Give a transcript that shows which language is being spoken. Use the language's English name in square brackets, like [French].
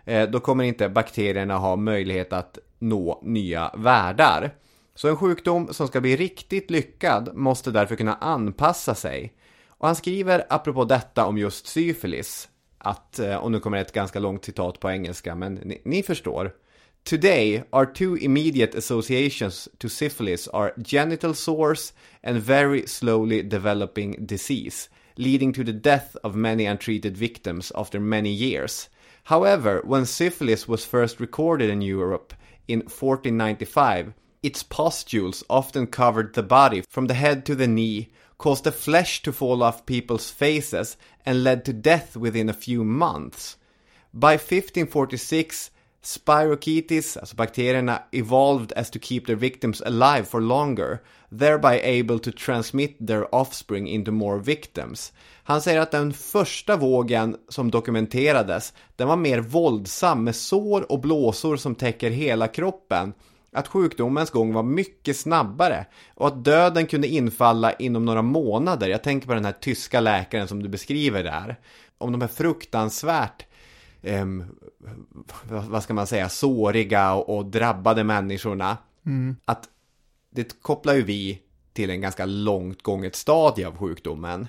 [Swedish] Då kommer inte bakterierna ha möjlighet att nå nya världar. Så en sjukdom som ska bli riktigt lyckad måste därför kunna anpassa sig. Och han skriver apropå detta om just syfilis att, och nu kommer ett ganska långt citat på engelska, men ni förstår. [English] Today, our two immediate associations to syphilis are genital sores and very slowly developing disease, leading to the death of many untreated victims after many years. However, when syphilis was first recorded in Europe in 1495, its pustules often covered the body from the head to the knee, caused the flesh to fall off people's faces, and led to death within a few months. By 1546, Spirochetes, [Swedish] alltså bakterierna, [English] evolved as to keep their victims alive for longer, thereby able to transmit their offspring into more victims. [Swedish] Han säger att den första vågen som dokumenterades, den var mer våldsam med sår och blåsor som täcker hela kroppen, att sjukdomens gång var mycket snabbare och att döden kunde infalla inom några månader. Jag tänker på den här tyska läkaren som du beskriver där. Om de är fruktansvärt vad ska man säga, såriga och drabbade människorna, att det kopplar ju vi till en ganska långt gånget stadie av sjukdomen.